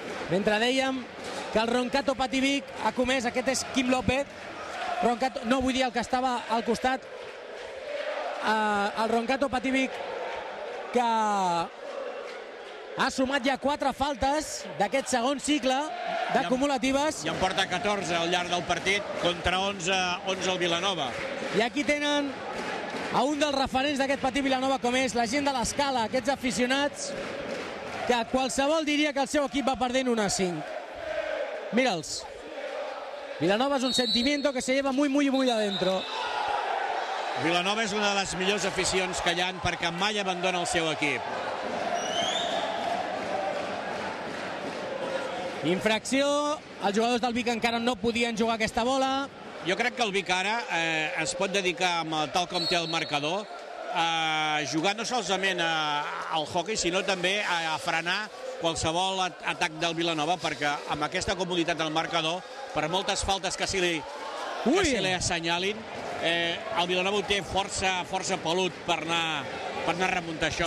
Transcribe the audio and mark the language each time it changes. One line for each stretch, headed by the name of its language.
Catalan: Mentre dèiem que el Roncato Pativic ha comès, aquest és Quim López, Roncato, no vull dir el que estava al costat, el Roncato Pativic, que ha sumat ja 4 faltes d'aquest segon cicle d'acumulatives. I en porta 14 al llarg del partit contra 11 el Vilanova. I aquí tenen a un dels referents d'aquest Patí Vilanova, com és la gent de l'Escala, aquests aficionats, que qualsevol diria que el seu equip va perdent 1-5. Mira'ls.
Spanish: Vilanova és un sentimiento que se lleva muy, muy, muy adentro.
Catalan: Vilanova és una de les millors aficions que hi ha perquè mai abandona el seu equip. Infracció. Els jugadors del Vic encara no podien jugar aquesta bola. Jo crec que el Vic ara es pot dedicar, amb el, tal com té el marcador, a jugar no solament al hockey, sinó també a frenar qualsevol atac del Vilanova, perquè amb aquesta comoditat del marcador, per moltes faltes que s'hi li assenyalin, el Vilanova ho té força, força pelut per anar a remuntar això.